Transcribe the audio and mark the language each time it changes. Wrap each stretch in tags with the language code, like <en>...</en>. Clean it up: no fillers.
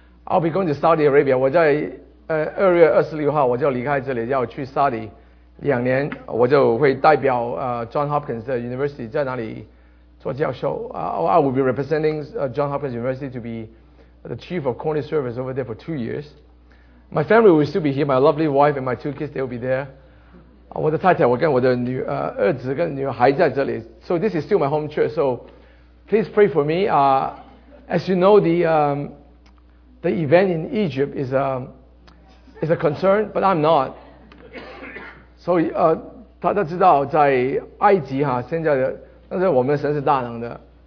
<en>I'll be going to Saudi Arabia.</en> <zh>我在二月二十六号我就离开这里，要去 Saudi。两年我就会代表John Hopkins University 在哪里做教授。</zh> <en>I will be representing John Hopkins University to be the chief of cornea service over there for 2 years. My family will still be here, my lovely wife and my 2 kids, they will be there.</en> <zh>我的太太我跟我的儿子跟女孩在这里。</zh> <en>So this is still my home church, so please pray for me. As you know, the event in Egypt is a concern, but I'm not.</en> <zh>所以大家知道在埃及哈，现在的但是我们的神是大能的。</zh>